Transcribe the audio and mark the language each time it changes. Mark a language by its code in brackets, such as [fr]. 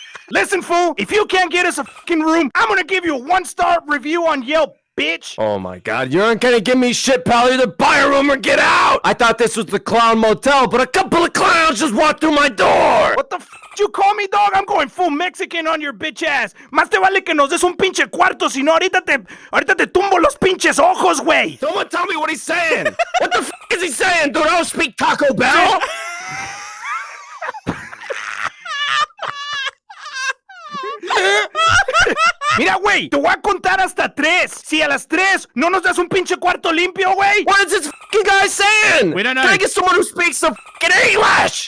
[en] Listen, fool, if you can't get us a f***ing room, I'm gonna give you a one-star review on Yelp, bitch! Oh my god, you aren't gonna give me shit, pal. Either buy a room or get out! I thought this was the clown motel, but a couple of clowns just walked through my door! What the f*** did you call me, dog? I'm going full Mexican on your bitch ass! [es] Más te vale que nos des un pinche cuarto, sino ahorita te tumbo los pinches ojos, güey! [en] Someone tell me what he's saying! What the f*** is he saying, dude? I don't speak Taco Bell! [es] Mira, güey, te voy a contar hasta tres. Si a las tres no nos das un pinche cuarto limpio, güey. [en] What is this fucking guy saying? We don't know. Can I get someone who speaks some fucking English?